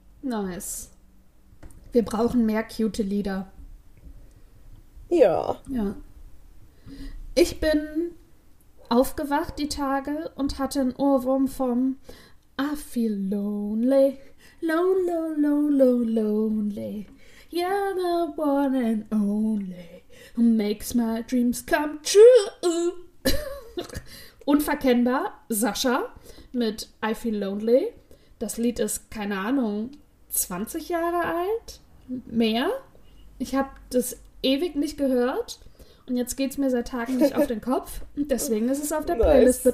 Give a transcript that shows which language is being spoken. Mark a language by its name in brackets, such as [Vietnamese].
[English] Nice. [German] Wir brauchen mehr cute Lieder. Ja. Ja. Ich bin aufgewacht die Tage und hatte einen Ohrwurm vom I feel lonely. [English] Low, low, low, low, lonely. You're the one and only who makes my dreams come true. [German] Unverkennbar, Sascha mit I feel lonely. Das Lied ist, keine Ahnung, 20 Jahre alt, mehr. Ich habe das ewig nicht gehört und jetzt geht es mir seit Tagen nicht auf den Kopf und deswegen ist es auf der Playlist mit